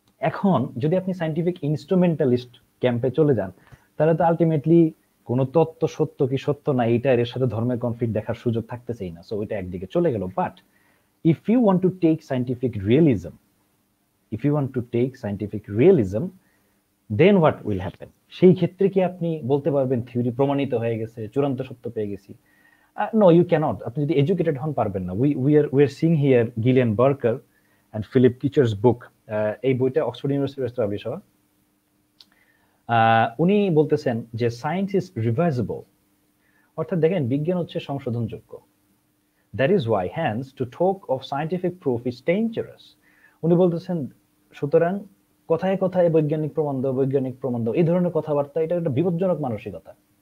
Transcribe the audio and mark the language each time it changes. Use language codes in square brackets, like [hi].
[bn] এখন যদি আপনি সাইন্টিফিক ইনস্ট্রুমেন্টালিস্ট ক্যাম্পে চলে যান তাহলে তো আলটিমেটলি কোনো তত্ত্ব সত্য কি সত্য না এটা এর সাথে ধর্মের কনফ্লিক্ট দেখার সুযোগ থাকতেছেই না, সো এটা একদিকে চলে গেল। [en] but if you want to take scientific realism, if you want to take scientific realism then what will happen, [bn] সেই ক্ষেত্রে কি আপনি বলতে পারবেন থিওরি প্রমাণিত হয়ে গেছে, চূড়ান্ত সত্য পেয়ে গেছি? [en] No, you cannot. [bn] আপনি যদি এডুকেটেড হন পারবেন না। [en] We are seeing here Gillian Barker and Philip Kitcher's book. [bn] এই বইটা অক্সফোর্ড ইউনিভার্সিটির বিষয়। উনি বলতেছেন যে [en] science is revisable, [bn] অর্থাৎ দেখেন বিজ্ঞান হচ্ছে সংশোধনযোগ্য। [en] That is why hence to talk of scientific proof is dangerous. [bn] উনি বলতেছেন সুতরাং কথায় কথায় বৈজ্ঞানিক প্রবন্ধ, বৈজ্ঞানিক প্রবন্ধ এই ধরনের কথাবার্তা, এটা একটা বিপজ্জনক মানসিকতা।